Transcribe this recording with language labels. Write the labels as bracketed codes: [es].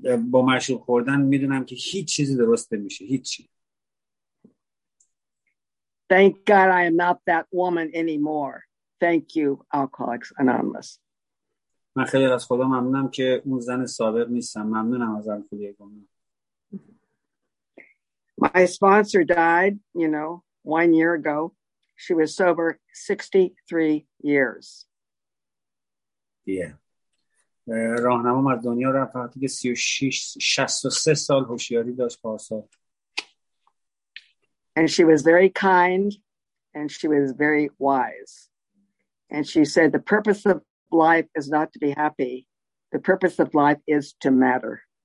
[fa] با مشروب خوردن میدونم که هیچ چیزی درست نمیشه. هیچی. [en] Thank God I am not that woman anymore. Thank you, Alcoholics Anonymous. [fa] من خیلی از خدا ممنونم که اون زن سابق نیستم. ممنونم از الکلی گمنام. [en] My sponsor died, you know, 1 year ago. She was sober 63 years. Yeah. [fa] راهنمام از دنیا رفت وقتی که 63 سال هوشیاری داشت پارسال. [en] And she was very kind and she was very wise. And she said, the purpose of life is not to be happy. The purpose of life is to matter.